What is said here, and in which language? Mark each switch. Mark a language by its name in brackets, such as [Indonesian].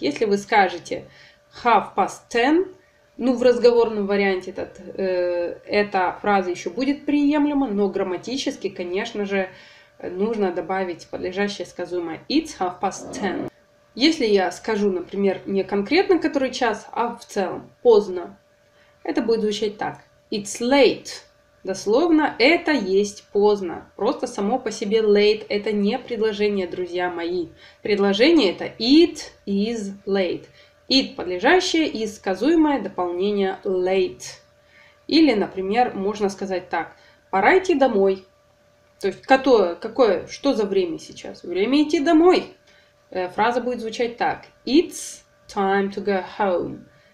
[Russian] Если вы скажете 10:30, ну, в разговорном варианте этот, эта фраза еще будет приемлема, но грамматически, конечно же, нужно добавить подлежащее сказуемое [English] it's 10:30. [Russian] Если я скажу, например, не конкретно который час, а в целом поздно, это будет звучать так. [English] It's late. [Russian] Дословно, это есть поздно. Просто само по себе late – это не предложение, друзья мои. Предложение – это [English] it is late. [Russian] It – подлежащее, is – сказуемое, дополнение late. Или, например, можно сказать так. Пора идти домой. То есть, какое, что за время сейчас? Время идти домой. Фраза будет звучать так. [English] It's time to go home.